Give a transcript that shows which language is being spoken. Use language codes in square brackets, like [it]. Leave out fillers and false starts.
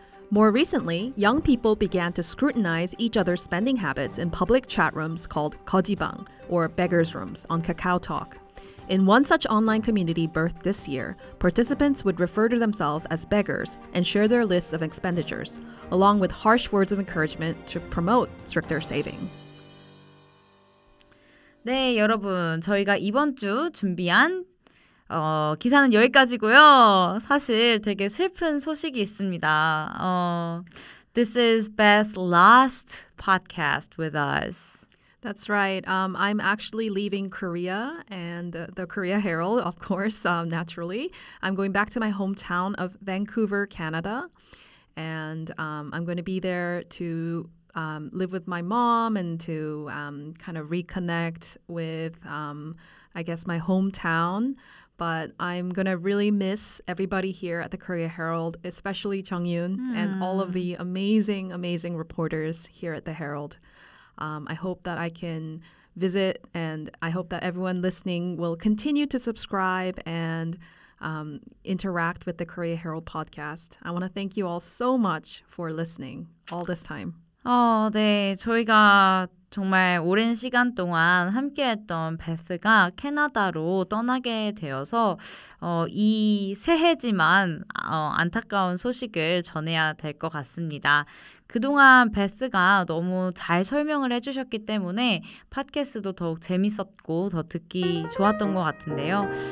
[en] More recently, young people began to scrutinize each other's spending habits in public chat rooms called 거지방, or beggar's rooms, on KakaoTalk. In one such online community birthed this year, participants would refer to themselves as beggars and share their lists of expenditures, along with harsh words of encouragement to promote stricter saving. [ko] 네, 여러분, 저희가 이번 주 준비한 기사는 여기까지고요. 사실 되게 슬픈 소식이 있습니다. [en] This is Beth's last podcast with us. That's right. I'm actually leaving Korea and the Korea Herald, of course, naturally. I'm going back to my hometown of Vancouver, Canada. And I'm going to be there to live with my mom and to kind of reconnect with, I guess, my hometown. But I'm going to really miss everybody here at the Korea Herald, especially Jung Yoon and all of the amazing, amazing reporters here at the Herald. I hope that I can visit and I hope that everyone listening will continue to subscribe and interact with the Korea Herald podcast. I want to thank you all so much for listening all this time. [ko] 네, 저희가 정말 오랜 시간 동안 함께했던 베스가 캐나다로 떠나게 되어서 이 새해지만 안타까운 소식을 전해야 될 것 같습니다. 그동안 베스가 너무 잘 설명을 해주셨기 때문에 팟캐스트도 더욱 재밌었고 더 듣기 좋았던 것 같은데요.